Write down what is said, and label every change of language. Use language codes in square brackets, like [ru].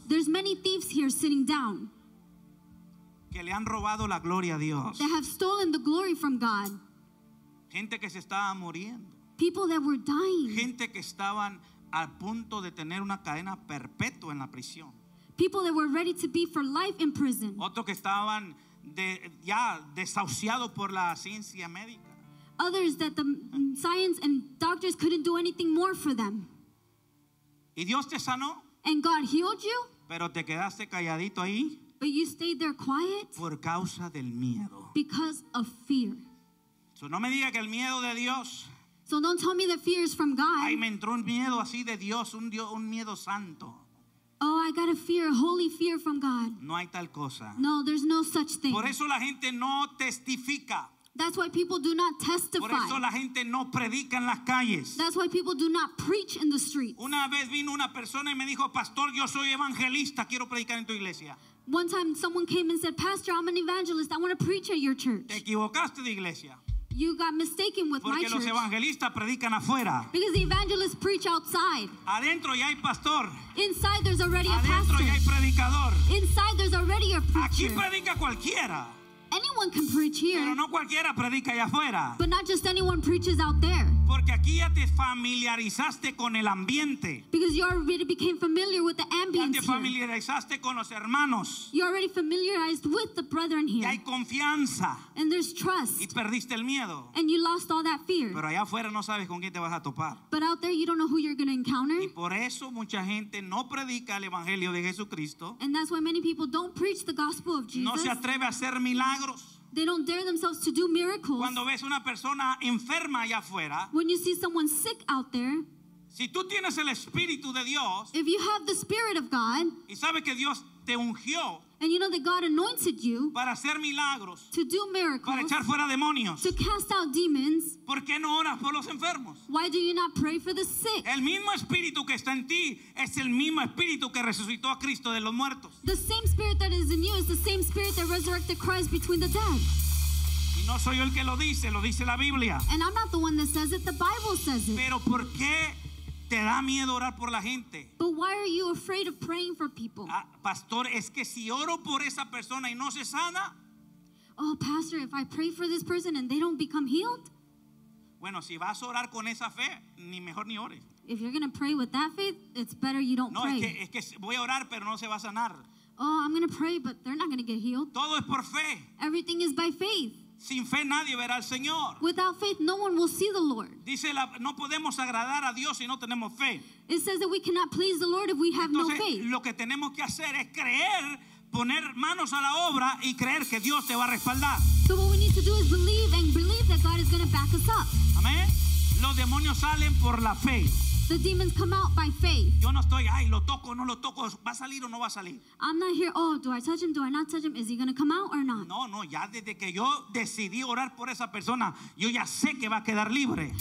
[en] There's many thieves here sitting down. [es] Que le han robado la gloria a Dios. [en] They have stolen the glory from God. [es] Gente que se estaba muriendo. [en] People that were dying. [es] Gente que estaban a punto de tener una cadena perpetua en la prisión. [en] People that were ready to be for life in prison. [es] Otros que estaban ya desahuciados por la ciencia médica. [en] Others that the science and doctors couldn't do anything more for them. [es] Y Dios te sanó. [en] And God healed you. [es] Pero te quedaste calladito ahí. [en] But you stayed there quiet. [es] Por causa del miedo. [en] Because of fear. [es] So no me diga que el miedo de Dios. [en] So don't tell me the fear is from God. [es] Ay, me entró un miedo así de Dios, un miedo santo. [en] Oh, I got a fear, a holy fear from God. [es] No hay tal cosa. [en] No, there's no such thing. [es] Por eso la gente no testifica. [en] That's why people do not testify. [es] Por eso la gente no predica en las calles. [en] That's why people do not preach in the streets. [es] Una vez vino una persona y me dijo, Pastor, yo soy evangelista, quiero predicar en tu iglesia. [en] One time someone came and said, Pastor, I'm an evangelist. I want to preach at your church. [es] Te equivocaste de iglesia. [en] You got mistaken with [es] Porque [en] my church. [es] Los evangelistas predican afuera. [en] Because the evangelists preach outside. [es] Adentro ya hay pastor. [en] Inside there's already [es] Adentro [en] a pastor. [es] Ya hay predicador. [en] Inside there's already a preacher. [es] Aquí predica cualquiera. [en] Anyone can preach here. [es] Pero no cualquiera predica allá afuera. [en] But not just anyone preaches out there. [es] Porque aquí ya te familiarizaste con el ambiente. [en] Because you already became familiar with the ambience here. [es] Ya te familiarizaste con los hermanos. [en] You already familiarized with the brethren here. [es] Y hay confianza. [en] And there's trust. [es] Y perdiste el miedo. [en] And you lost all that fear. [es] Pero allá afuera no sabes con quién te vas a topar. [en] But out there you don't know who you're going to encounter. [es] Y por eso mucha gente no predica el evangelio de Jesucristo. [en] And that's why many people don't preach the gospel of Jesus. [es] No se atreve a hacer milagros. [en] They don't dare themselves to do miracles. [es] Cuando ves una persona enferma allá afuera, [en] when you see someone sick out there, [es] si tú tienes el Espíritu de Dios, [en] if you have the Spirit of God, [es] y sabes que Dios te ungió, [en] and you know that God anointed you [es] para hacer milagros, [en] to do miracles, [es] para echar fuera demonios, [en] to cast out demons, [es] ¿por qué no oras por los enfermos? [en] Why do you not pray for the sick? [es] El mismo Espíritu que está en ti es el mismo Espíritu que resucitó a Cristo de los muertos. [en] The same Spirit that is in you is the same Spirit that resurrected Christ between the dead. [es] Y no soy yo el que lo dice la Biblia. [en] And I'm not the one that says it, the Bible says it. [es] Pero ¿por qué te da miedo orar por la gente? [en] But why are you afraid of praying for people? [es] Ah, pastor, es que si oro por esa persona y no se sana. [en] Oh, pastor, if I pray for this person and they don't become healed. [es] Bueno, si vas a orar con esa fe, ni mejor ni ores. [en] If you're going to pray with that faith, it's better you don't [es] no, [en] pray. [es] No, es que voy a orar, pero no se va a sanar. [en] Oh, I'm going to pray, but they're not going to get healed. [es] Todo es por fe. [en] Everything is by faith. [es] Sin fe nadie verá al Señor. [en] Without faith, no one will see the Lord. [es] Dice la, no podemos agradar a Dios si no tenemos fe. [en] It says that we cannot please the Lord if we have [es] Entonces, [en] no faith. [es] Lo que tenemos que hacer es creer, poner manos a la obra y creer que Dios te va a respaldar. [en] So what we need to do is believe and believe that God is going to back us up. [es] Amén. Los demonios salen por la fe. [en] The demons come out by faith. [es] Yo no estoy, ay, lo toco, no lo toco, va a salir o no va a salir. [en] I'm not here, oh, do I touch him, do I not touch him, is he going to come out or not? [es] No, ya desde que yo decidí orar por esa persona, yo ya sé que va a quedar libre.